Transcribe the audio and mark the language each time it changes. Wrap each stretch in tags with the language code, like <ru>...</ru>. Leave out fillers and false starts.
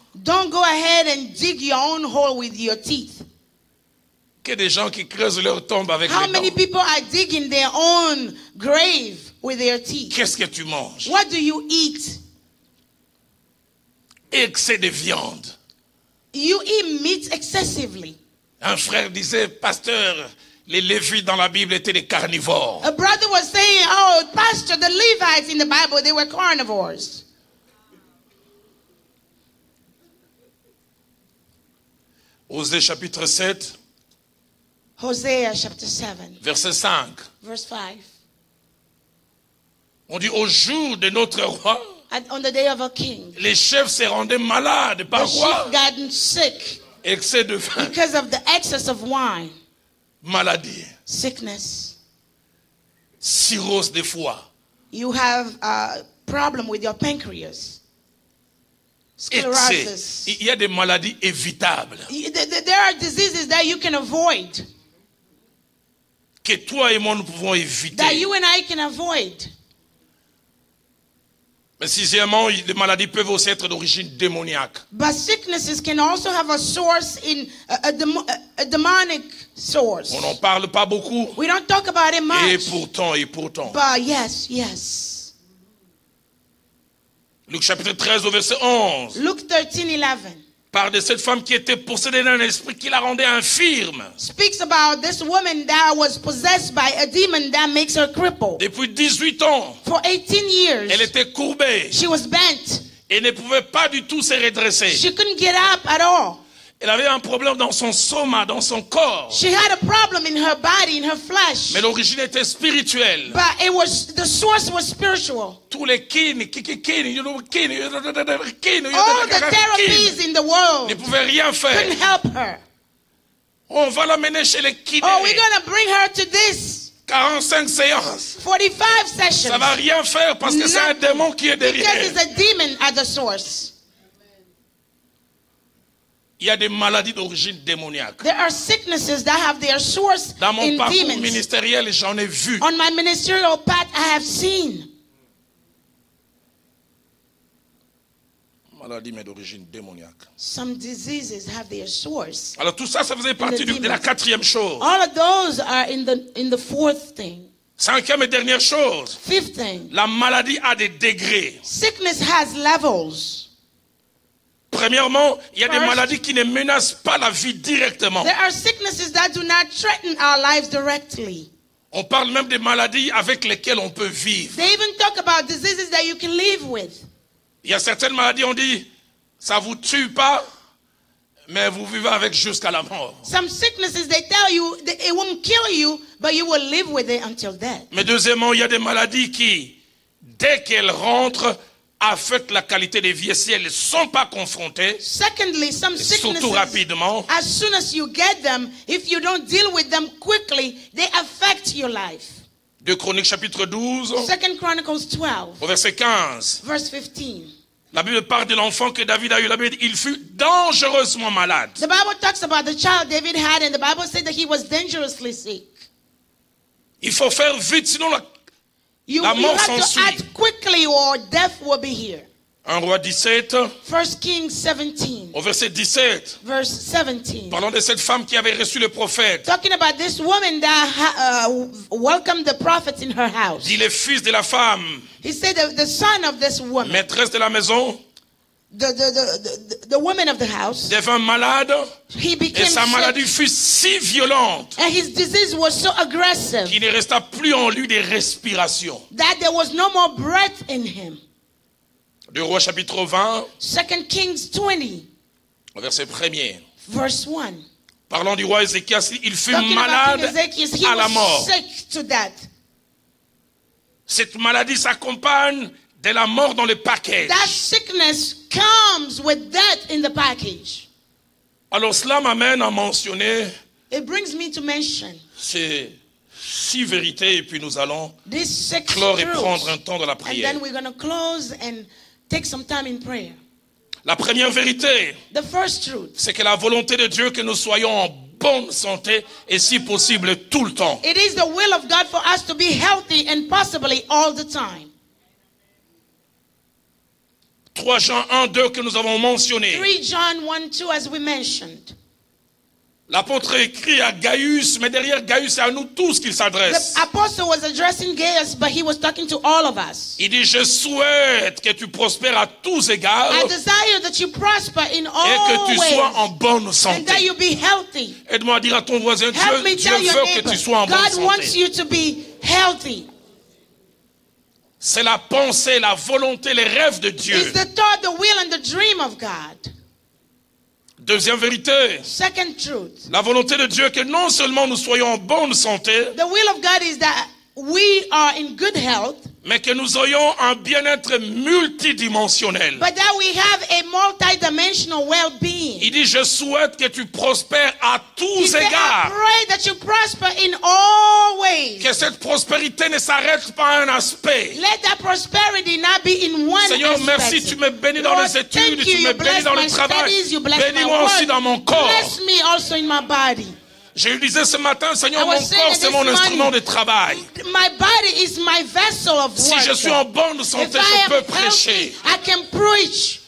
<en>Don't go ahead and dig your own hole with your teeth.</en> <fr>que des gens qui creusent leur tombe avec</fr> <en>How</en> <fr>les dents.</fr> <en>How many people are digging their own grave with their teeth?</en> <fr>Qu'est-ce que tu manges?</fr> <en>What do you eat?</en> <fr>Excès de viande.</fr> <en>You eat meat excessively.</en> <fr>Un frère disait, pasteur, les Lévites dans la Bible étaient des carnivores.</fr> <en>A brother was saying, oh, pastor, the Levites in the Bible, they were carnivores.</en> <fr>Osée chapitre 7.</fr> <en>Hosea chapter 7.</en> <fr>Verset 5.</fr> <en>Verse 5.</en> <fr>On dit au jour de notre roi.</fr> <en>On the day of our king.</en> <fr>Les chefs se rendaient malades. Par quoi?</fr> <en>The chief got sick.</en> <fr>Excès de vin.</fr> <en>Because of the excess of wine.</en> <fr>Maladie.</fr> <en>Sickness.</en> <fr>Cirrhose de foie.</fr> <en>You have a problem with your pancreas.</en> <fr>Il y a des maladies évitables.</fr> <en>There are diseases that you can avoid.</en> <fr>Que toi et moi nous pouvons éviter.</fr> <en>That you and I can avoid.</en> <fr>Mais sixièmement, les maladies peuvent aussi être d'origine démoniaque.</fr> <en>But sicknesses can also have a source in a demonic source.</en> <fr>On n'en parle pas beaucoup.</fr> <en>We don't talk about it much.</en> <fr>Et pourtant.</fr> <en>But yes, yes.</en> <fr>Luc chapitre 13 au verset 11.</fr> <en>Luke 13, 11.</en> <fr>Parle de cette femme qui était possédée d'un esprit qui la rendait infirme.</fr> <en>Speaks about this woman that was possessed by a demon that makes her crippled.</en> <fr>Depuis 18 ans.</fr> <en>For 18 years.</en> <fr>Elle était courbée.</fr> <en>She was bent.</en> <fr>Et ne pouvait pas du tout se redresser.</fr> <en>She couldn't get up at all.</en> <fr>Elle avait un problème dans son soma, dans son corps.</fr> <en>She had a problem in her body, in her flesh.</en> <fr>Mais l'origine était spirituelle.</fr> <en>But it was, the source was spiritual.</en> <fr>Tous les kin,</fr> <en>all the therapies in the world</en> <fr>ne pouvaient rien faire.</fr> <en>Couldn't help her.</en> <fr>On va l'amener chez les kinés.</fr> <en>Oh, we're gonna bring her to this.</en> <fr>45 séances.</fr> <en>45 sessions.</en> <fr>Ça va rien faire parce que c'est un démon qui est derrière.</fr> <en>Because it's a demon at the source.</en> <fr>Il y a des maladies d'origine démoniaque.</fr> <en>There are sicknesses that have their source in demons.</en> <fr>Dans mon parcours ministériel, j'en ai vu.</fr> <en>On my ministerial path, I have seen.</en> <fr>Maladies mais d'origine démoniaque.</fr> <en>Some diseases have their source.</en> <fr>Alors tout ça, ça faisait partie de la quatrième chose.</fr> <en>All of those are in the fourth thing.</en> <fr>Cinquième et dernière chose.</fr> <en>Fifth thing.</en> <fr>La maladie a des degrés.</fr> <en>Sickness has levels.</en> <fr>Premièrement, il y a des maladies qui ne menacent pas la vie directement.</fr> <en>There are sicknesses that do not threaten our lives directly.</en> <fr>On parle même des maladies avec lesquelles on peut vivre.</fr> <en>They even talk about diseases that you can live with.</en> <fr>Il y a certaines maladies, on dit, ça vous tue pas, mais vous vivez avec jusqu'à la mort.</fr> <en>Some sicknesses they tell you that it won't kill you, but you will live with it until death.</en> <fr>Mais deuxièmement, il y a des maladies qui, dès qu'elles rentrent, affecte la qualité de vie si elles ne sont pas confrontées.</fr> <en>Secondly, some sicknesses,</en> <fr>surtout rapidement,</fr> <en>as soon as you get them, if you don't deal with them quickly, they affect your life.</en> <fr>Deux Chroniques chapitre 12.</fr> <en>Second Chronicles 12.</en> <fr>Au verset 15.</fr> <en>Verse 15.</en> <fr>La Bible parle de l'enfant que David a eu. La Bible, il fut dangereusement malade.</fr> <en>The Bible talks about the child David had, and the Bible said that he was dangerously sick.</en> <fr>Il faut faire vite, sinon la mort s'en suit.</fr> <en>You have to act quickly or death will be here.</en> <fr>1 Roi 17.</fr> <en>1 Kings 17.</en> <fr>Au verset 17.</fr> <en>Verse 17.</en> <fr>Parlons de cette femme qui avait reçu le prophète.</fr> <en>Talking about this woman that welcomed the prophet in her house.</en> <fr>Dit le fils de la femme.</fr> <en>He said the son of this woman.</en> <fr>Maîtresse de la maison.</fr> <en>The woman of the house.</en> <fr>Devint malade.</fr> <en>He became</en> <fr>et sa</fr> <en>sick.</en> <fr>Maladie fut si violente.</fr> <en>And his disease was so aggressive.</en> <fr>Qu'il ne resta plus en lui des respirations.</fr> <en>That there was no more breath in him.</en> <fr>Deux Rois chapitre 20.</fr> <en>Second Kings 20.</en> <fr>Verset 1er.</fr> <en>Verse 1.</en> <fr>Parlant du roi Ézéchias, il fut malade à la mort.</fr> <en>Sick to death.</en> <fr>Cette maladie s'accompagne de la mort dans le package.</fr> <en>That sickness comes with death in the package.</en> <fr>Alors cela m'amène à mentionner.</fr> <en>It brings me to mention.</en> <fr>C'est six vérités et puis nous allons clore et prendre un temps de la prière.</fr> <en>And then we're going to close and take some time in prayer.</en> <fr>La première vérité.</fr> <en>The first truth.</en> <fr>C'est que la volonté de Dieu que nous soyons en bonne santé et si possible tout le temps.</fr> <en>It is the will of God for us to be healthy and possibly all the time.</en> <fr>3 Jean 1, 2 que nous avons mentionné.</fr> <en>3 John 1, 2 as we mentioned.</en> <fr>L'apôtre écrit à Gaius, mais derrière Gaius, c'est à nous tous qu'il s'adresse.</fr> <en>The apostle was addressing Gaius, but he was talking to all of us.</en> <fr>Il dit, je souhaite que tu prospères à tous égards.</fr> <en>I desire that you prosper in all ways.</en> <fr>Et que tu sois en bonne santé.</fr> <en>And that you be healthy.</en> <fr>Aide-moi à dire à ton voisin, Dieu veut que tu sois en bonne santé.</fr> <en>God wants you to be healthy.</en> <fr>C'est la pensée, la volonté, les rêves de Dieu.</fr> <en>It's the thought, the will, and the dream of God.</en> <fr>Deuxième vérité.</fr> <en>Second truth.</en> <fr>La volonté de Dieu est que non seulement nous soyons en bonne santé.</fr> <en>The will of God is that we are in good health.</en> <fr>Mais que nous ayons un bien-être multidimensionnel.</fr> <en>But that we have a multidimensional well-being.</en> <fr>Il dit, je souhaite que tu prospères à tous égards.</fr> <en>I pray that you prosper in all ways.</en> <fr>Que cette prospérité ne s'arrête pas à un aspect.</fr> <en>Let that prosperity not be in one</en> <fr>Seigneur,</fr> <en>aspect.</en> <fr>Merci, tu me bénis dans</fr> <en>Lord,</en> <fr>les études, tu me bénis dans le travail.</fr> <en>Studies,</en> <fr>bénis-moi aussi dans mon corps.</fr> <en>Bless me also in my body.</en> <fr>Je lui disais ce matin, Seigneur, mon corps, c'est mon instrument de travail.</fr> <en>My body is my vessel of</en> <fr>si je suis en bonne santé,</fr> <en>If</en> <fr>je</fr> <en>I</en> <fr>peux prêcher.</fr> <en>Healthy, I can preach.</en>